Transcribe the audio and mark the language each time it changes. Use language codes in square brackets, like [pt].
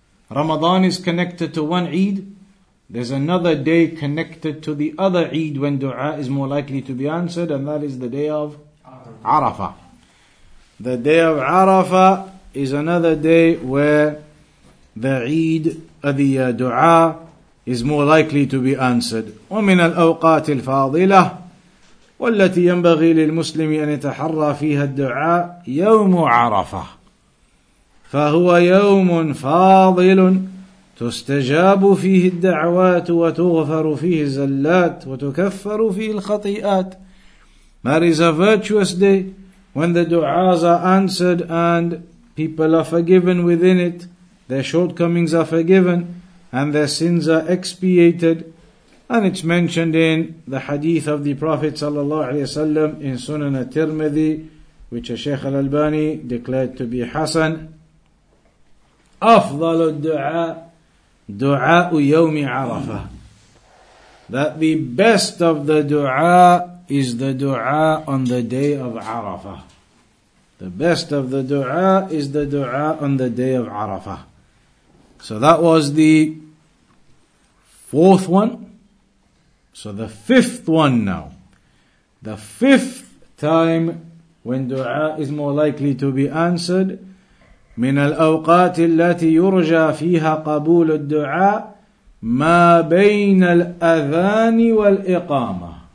[en] Ramadan is connected to one Eid. There's another day connected to the other Eid when dua is more likely to be answered, and that is the day of Arafah. The day of Arafah is another day where the Eid, the dua, is more likely to be answered. [ar] ومن الأوقات الفاضلة والتي ينبغي للمسلم أن يتحرى فيها الدعاء يوم عرفة فهو يوم فاضل تستجاب فيه الدعوات وتغفر فيه الزلات وتكفر فيه الخطيئات. [en] That is a virtuous day when the du'as are answered and people are forgiven within it, their shortcomings are forgiven, and their sins are expiated. And it's mentioned in the hadith of the Prophet ﷺ in Sunan al-Tirmidhi, which Shaykh al-Albani declared to be Hasan. [ar] أفضل الدعاء دعاء يوم عرفة. [en] That the best of the dua is the dua on the day of Arafah. The best of the dua is the dua on the day of Arafah. So that was the fourth one. So the fifth one now. The fifth time when dua is more likely to be answered. [ar] من الأوقات التي يرجى فيها قبول الدعاء ما بين الأذان والإقامة.